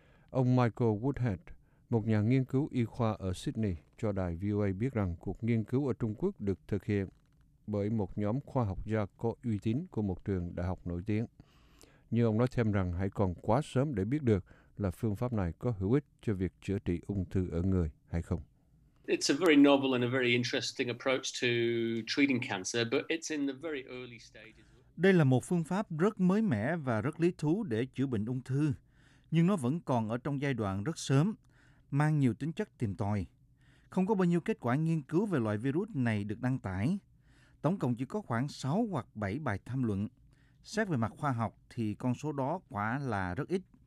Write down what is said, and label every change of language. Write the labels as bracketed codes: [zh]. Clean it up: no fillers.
[vi] Ông Michael Woodhead, một nhà nghiên cứu y khoa ở Sydney, cho đài VOA biết rằng cuộc nghiên cứu ở Trung Quốc được thực hiện bởi một nhóm khoa học gia có uy tín của một trường đại học nổi tiếng. Nhưng ông nói thêm rằng hãy còn quá sớm để biết được là phương pháp này có hữu ích cho việc chữa trị ung thư ở người hay không. [en] It's a very novel and a very interesting approach to treating cancer, but it's in the very early stages. [vi] Đây là một phương pháp rất mới mẻ và rất lý thú để chữa bệnh ung thư, nhưng nó vẫn còn ở trong giai đoạn rất sớm, mang nhiều tính chất tìm tòi. Không có bao nhiêu kết quả nghiên cứu về loại virus này được đăng tải. Tổng cộng chỉ có khoảng 6 hoặc 7 bài tham luận. Xét về mặt khoa học thì con số đó quả là rất ít.